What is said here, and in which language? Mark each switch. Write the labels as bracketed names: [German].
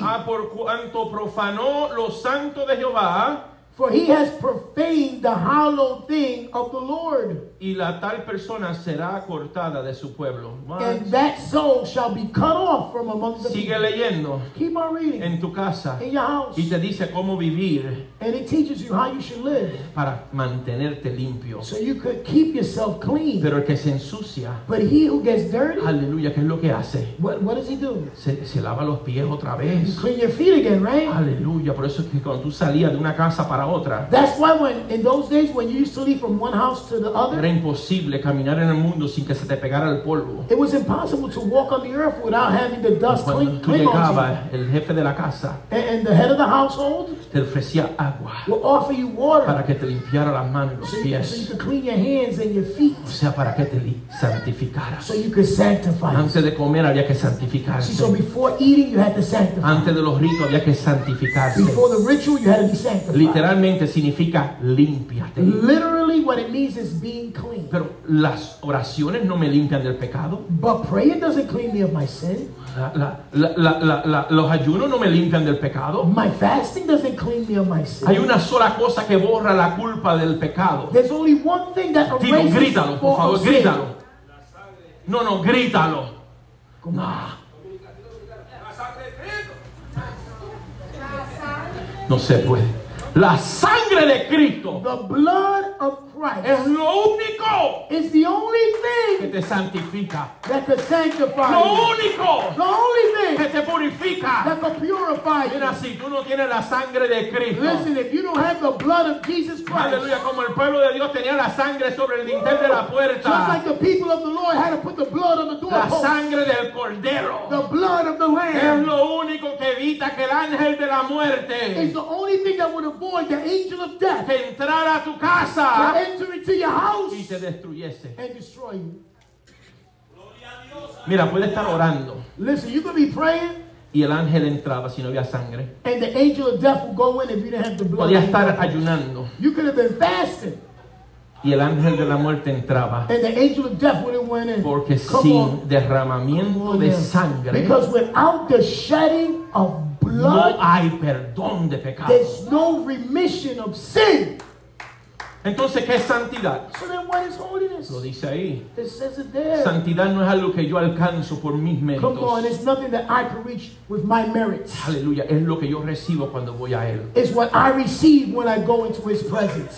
[Spanish] Ah, por cuanto profanó lo santo de Jehová, [English] for he has profaned the hallowed thing of the Lord. [Spanish] Y la tal persona será cortada de su pueblo. [English] What? And that soul shall be cut off from among the [Spanish] sigue [English] people. [Spanish] Sigue leyendo. [English] Keep on reading. [Spanish] En tu casa. [English] In your house. [Spanish] Y te dice cómo vivir. [English] And it teaches you how you should live. [Spanish] Para mantenerte limpio. [English] So you could keep yourself clean. [Spanish] Pero el que se ensucia. [English] But he who gets dirty. [Spanish] Aleluya, ¿qué es lo que hace? [English] What does he do? [Spanish] Se lava los pies otra vez. [English] You clean your feet again, right? [Spanish] Aleluya, por eso es que cuando tú salías de una casa para otra. [English] That's why when in those days when you used to leave from one house to the other, [Spanish] era imposible caminar en el mundo sin que se te pegara el polvo. [English] It was impossible to walk on the earth without having the dust cling on you. [Spanish] El jefe de la casa [English] and the head of the household [Spanish] te ofrecía agua [English] will offer you water [Spanish] para que te limpiara las manos y los pies. [English] So you could clean your hands and your feet. [Spanish] O sea, para que te santificara. [English] So you could sanctify. [Spanish] Antes de comer había que santificarse. [English] So before eating you had to sanctify. [Spanish] Antes de los ritos había que santificarse. [English] Before the ritual you had to be sanctified. [Spanish] Literalmente significa límpiate. [English] Literally what it means is being clean. [Spanish] Pero las oraciones no me limpian del pecado. [English] But praying doesn't clean me of my sin. [Spanish] Los ayunos no me limpian del pecado. [English] My fasting doesn't clean me of my sin. [Spanish] Hay una sola cosa que borra la culpa del pecado. [English] There's only one thing that erases. [Spanish] Dilo, grítalo, por favor, grítalo. No, no, grítalo. ¿Cómo? Ah. No se puede. La sangre de Cristo. [English] The blood of Christ. [Spanish] Es lo único. [English] Is the only thing. [Spanish] Que te santifica. [English] That can sanctify. [Spanish] Lo único. [English] The only thing. [Spanish] Que te purifica. [English] That can purify. [Spanish] Mira, si tú no tienes la sangre de Cristo. [English] Listen, if you don't have the blood of Jesus Christ. [Spanish] Aleluya, como el pueblo de Dios tenía la sangre sobre el dintel de la puerta. [English] Just like the people of the Lord had to put the blood on the doorpost. [Spanish] La sangre del cordero. [English] The blood of the lamb. [Spanish] Es lo único que evita que el ángel de la muerte. [English] It's the only thing that would have boy, the angel of death, [Spanish] que entrara a tu casa, [English] to enter into your house [Spanish] y te destruyese. [English] And destroy you. [Spanish] Mira, puede estar orando. [English] Listen, you could be praying. [Spanish] Y el ángel entraba si no había sangre. [English] And the angel of death would go in if you didn't have the blood. [Spanish] Podía estar ayunando. [English] You could have been fasting. [Spanish] Y el ángel de la muerte entraba. [English] And the angel of death would have went in. [Spanish] Porque come sin on. Derramamiento on, de yes. Sangre. [English] Because without the shedding of blood. Blood, [Spanish] no hay perdón de pecado. [English] There's no remission of sin. [Spanish] Entonces, ¿qué es santidad? [English] So then what is holiness? [Spanish] Lo dice ahí. [English] It says it there. [Spanish] Santidad no es algo que yo alcanzo por mis méritos. [English] Come on, it's nothing that I can reach with my merits. [Spanish] Aleluya, es lo que yo recibo cuando voy a él. [English] It's what I receive when I go into his presence.